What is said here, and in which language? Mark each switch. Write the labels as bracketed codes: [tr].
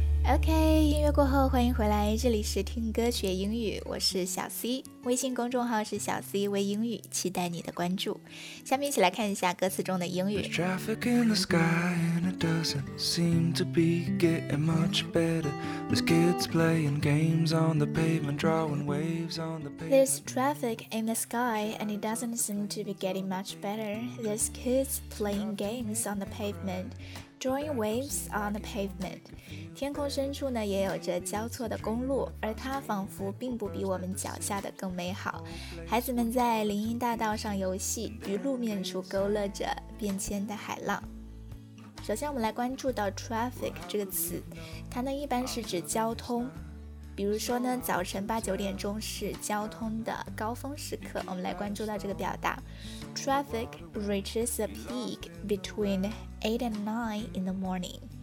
[zh] OK， 音乐过后欢迎回来，这里是听歌学英语，我是小 C， 微信公众号是小 C 微英语，期待你的关注。下面一起来看一下歌词中的英语。 [en] There's traffic in the sky and it doesn't seem to be getting much better. There's kids playing games on the pavement, drawing waves on the pavement. There's traffic in the sky and it doesn't seem to be getting much better. There's kids playing games on the pavementDrawing waves on the pavement. [zh] 天空深处呢也有着交错的公路，而它仿佛并不比我们脚下的更美好。孩子们在林荫大道上游戏，于路面处勾勒着变迁的海浪。首先我们来关注到 traffic 这个词，它呢一般是指交通，比如说呢早晨八九点钟是交通的高峰时刻。我们来关注到这个表达， [en] Traffic reaches a peak between 8 and 9 in the morning.